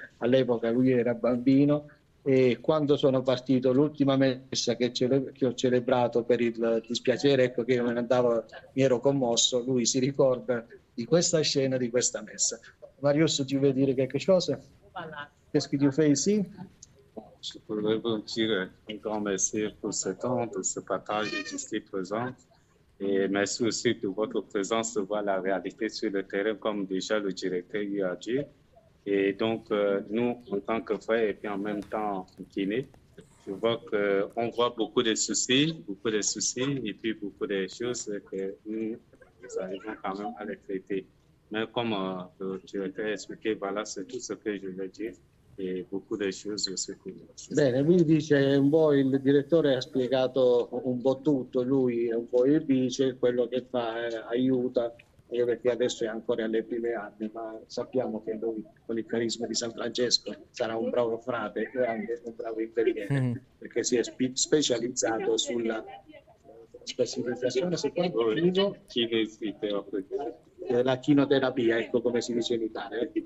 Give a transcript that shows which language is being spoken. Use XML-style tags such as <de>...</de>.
<it>All'epoca lui era bambino e quando sono partito, l'ultima messa che ho celebrato per il dispiacere, ecco che io me ne andavo, mi ero commosso. Lui si ricorda di questa scena, di questa messa. Marius, ti vuoi dire che cosa? Che schifo fai, sì?</it> <fr>Je voudrais vous dire un grand merci pour ce temps, pour ce partage ici présent. Et merci aussi de votre présence, de voir la réalité sur le terrain, comme déjà le directeur lui a dit. Et donc, nous, en tant que frères et puis en même temps kinés, je vois qu'on voit beaucoup de soucis, et puis beaucoup de choses que nous arrivons quand même à les traiter. Mais comme le directeur a expliqué, voilà, c'est tout ce que je veux dire. E beaucoup de choses aussi.</fr> <it>Bene, lui dice un po', il direttore ha spiegato un po' tutto, lui è un po' il vice, quello che fa, aiuta, perché adesso è ancora alle prime armi, ma sappiamo che lui con il carisma di San Francesco sarà un bravo frate e anche un bravo infermiere, perché si è specializzato sulla specializzazione, secondo me, la chinoterapia, ecco come si dice in Italia.</it>